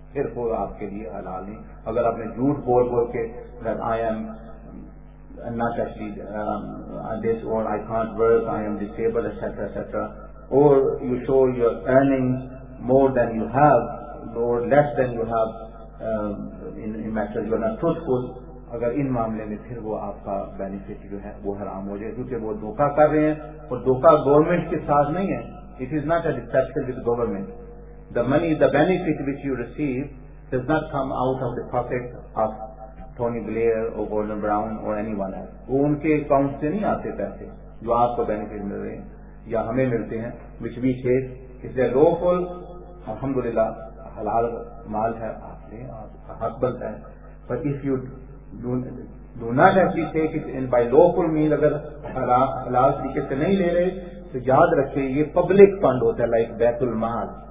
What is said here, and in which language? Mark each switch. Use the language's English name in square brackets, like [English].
[English] Therefore, [Urdu] aapke liye halal nahi. [English] Agar aapne jhoot bol bol ke that I am not actually this or I can't work, I am disabled, etc., etc., or you show your earnings more than you have, or less than you have in matters you are not truthful, [Urdu] اگر ان معاملے میں پھر وہ آپ کا benefit جو ہے وہ حرام ہو جائے کیونکہ وہ دھوکہ کر رہے ہیں اور دھوکہ گورنمنٹ کے ساتھ نہیں ہے. [English] It is not a deception with government. The money the benefit which you receive does not come out of the pocket of Tony Blair اور Gordon Brown اور anyone else. [Urdu] وہ ان کے اکاؤنٹ سے نہیں آتے پیسے جو آپ کو بینیفٹ مل رہے ہیں یا ہمیں ملتے ہیں [English] Which we چیز is a lawful. [Urdu] الحمد للہ حلال مال ہے آپ نے حق بنتا ہے پر [English] if you do not actually take it in by lawful [Urdu] مین اگر حلال طریقے سے نہیں لے رہے تو یاد رکھے یہ پبلک فنڈ ہوتا ہے لائک بیت المال